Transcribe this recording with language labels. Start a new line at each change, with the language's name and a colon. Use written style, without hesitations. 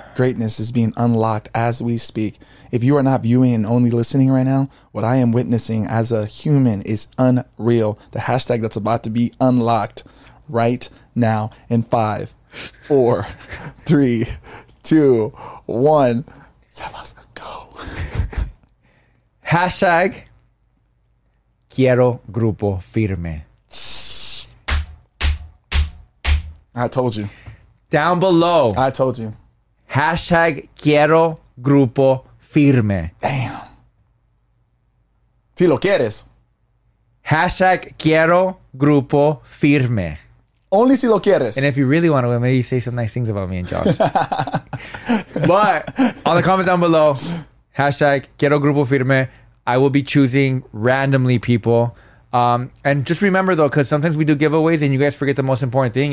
English: Greatness is being unlocked as we speak. If you are not viewing and only listening right now, what I am witnessing as a human is unreal. The hashtag that's about to be unlocked right now in 5, 4, 3, 2, 1. Sebas, go. Hashtag quiero Grupo Firme. I told you. Down below. I told you. Hashtag quiero Grupo Firme.
Spanish: Damn. Si lo quieres.
English: Hashtag quiero grupo firme.
Spanish: Only si lo quieres.
English: And if you really want to win, maybe you say some nice things about me and Josh. But on the comments down below, hashtag quiero grupo firme. I will be choosing randomly people. And just remember though, because sometimes we do giveaways and you guys forget the most important thing.